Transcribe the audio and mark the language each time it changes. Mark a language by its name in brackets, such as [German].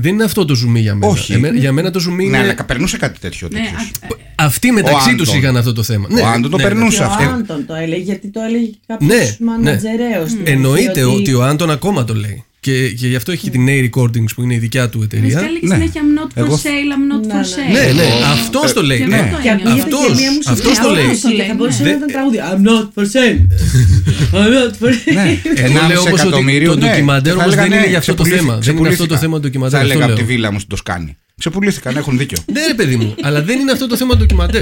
[Greek] Δεν είναι αυτό το ζουμί για μένα. Όχι. Για μένα το ζουμί ναι, είναι. Ναι, αλλά περνούσε κάτι τέτοιο. Ναι, αυτοί μεταξύ τους είχαν αυτό το θέμα. Ο ναι, Άντων το περνούσε αυτό. Ο Άντων το έλεγε, γιατί το έλεγε κάποιο ναι, μανατζερέο. Ναι. Εννοείται ότι ο Άντων ακόμα το λέει. Και γι' αυτό έχει την A Recordings που είναι η δικιά του εταιρεία. Μα και έλεγε συνέχεια [English] I'm not for sale, I'm not for sale. [Greek] Ναι, ναι, αυτό το λέει. Και αυτό το λέει. Θα μπορούσε να ήταν τραγούδι. [English] I'm not for sale. I'm not for sale. [Greek] Ένα εκατομμύριο. Το ντοκιμαντέρ όμως δεν είναι για αυτό το θέμα. Δεν είναι αυτό το θέμα του ντοκιμαντέρ. Θα έλεγα από τη βίλα μου στην Τοσκάνη. Ξεπουλήθηκαν, έχουν δίκιο. Ναι, ρε παιδί μου, αλλά δεν είναι αυτό το θέμα του ντοκιμαντέρ.